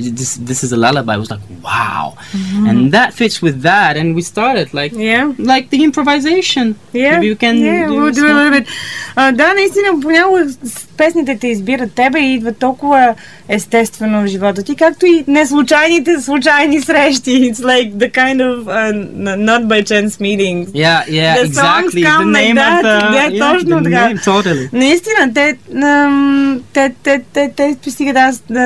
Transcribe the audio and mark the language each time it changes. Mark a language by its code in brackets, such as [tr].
[en] This is a lullaby. I was like, wow. Mm-hmm. And that fits with that, and we started like the improvisation. Yeah. Maybe you can do a little bit. [bg] Да, наистина, понякога песните те избират тебе и идва толкова естествено в живота ти, както и неслучайните случайни срещи. [en] It's like the kind of not by chance meetings. Yeah, yeah, the exactly. Songs come the name like that. [bg] Да, точно така. [en] Totally. [bg] Наистина, те пристигат аз.